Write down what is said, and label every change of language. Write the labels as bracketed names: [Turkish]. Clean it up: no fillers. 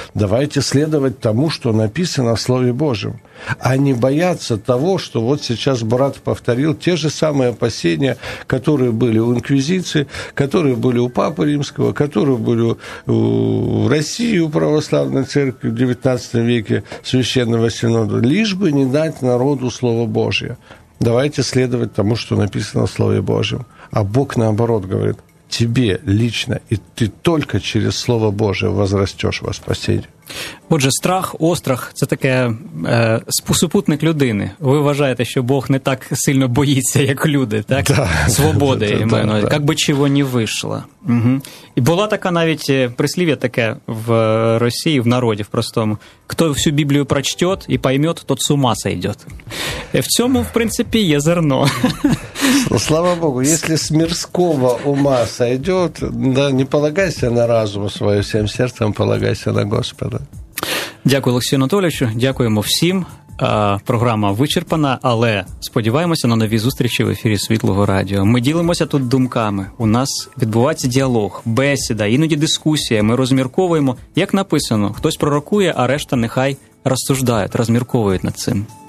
[Russian] Давайте следовать тому, что написано в Слове Божьем, а не бояться того, что вот сейчас брат повторил те же самые опасения, которые были у инквизиции, которые были у Папы Римского, которые были в России, у православной церкви в XIX веке, священного синода, лишь бы не дать народу Слово Божье. Давайте следовать тому, что написано в Слове Божьем. А Бог, наоборот, говорит, тебе лично, и ты только через Слово Божие возрастешь во спасение. [Ukrainian] Отже, страх, острах – це таке супутник людини. Ви вважаєте, що Бог не так сильно боїться, як люди, так? [Russian] Да. [Ukrainian] Свободи, іменно, як би чого не вийшло. Угу. І була така навіть прислів'я таке в Росії, в народі, в простому. [Russian] «Кто всю Біблію прочтет і поймет, тот с ума сойдет». [Ukrainian] В цьому, в принципі, є зерно. [Russian] Слава Богу, если с мирского ума сойдет, да, не полагайся на разум свое, всем сердцем полагайся на Господа. [Ukrainian] Дякую, Олексію Анатолійовичу, дякуємо всім. Програма вичерпана, але сподіваємося на нові зустрічі в ефірі Світлого Радіо. Ми ділимося тут думками, у нас відбувається діалог, бесіда, іноді дискусія, ми розмірковуємо, як написано, хтось пророкує, а решта нехай розсуждають, розмірковують над цим.